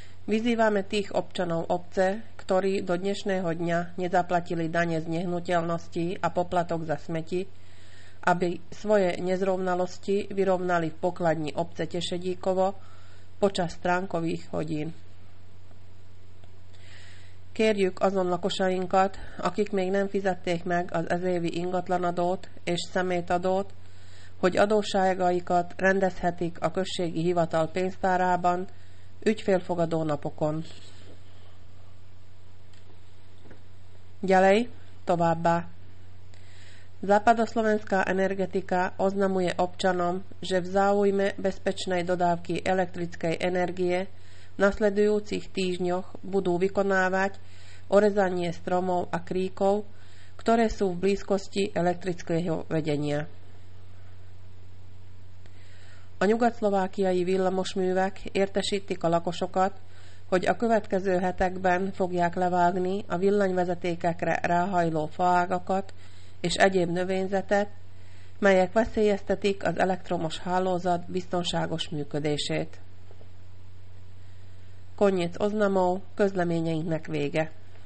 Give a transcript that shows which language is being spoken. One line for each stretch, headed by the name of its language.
Slovak: Vyzývame tých občanov obce, ktorí do dnešného dňa nezaplatili dane z nehnuteľnosti a poplatok za smeti, aby svoje nezrovnalosti vyrovnali v pokladni obce Tešedíkovo počas stránkových hodín.
Hungarian: Kérjük azon lakosainkat, akik még nem fizették meg az ezévi ingatlanadót és szemétadót, hogy adósságaikat rendezhetik a községi hivatal pénztárában ügyfélfogadó napokon.
Slovak: Ďalej,
Hungarian: továbbá.
Slovak: Západoslovenská energetika oznamuje občanom, že v záujme bezpečnej dodávky elektrickej energie v nasledujúcich týždňoch budú vykonávať orezanie stromov a kríkov, ktoré sú v blízkosti elektrického vedenia.
Hungarian: A nyugatszlovákiai villamosművek értesítik a lakosokat, hogy a következő hetekben fogják levágni a villanyvezetékekre ráhajló faágakat és egyéb növényzetet, melyek veszélyeztetik az elektromos hálózat biztonságos működését.
Slovak: Konnyec oznamov,
Hungarian: közleményeinknek vége.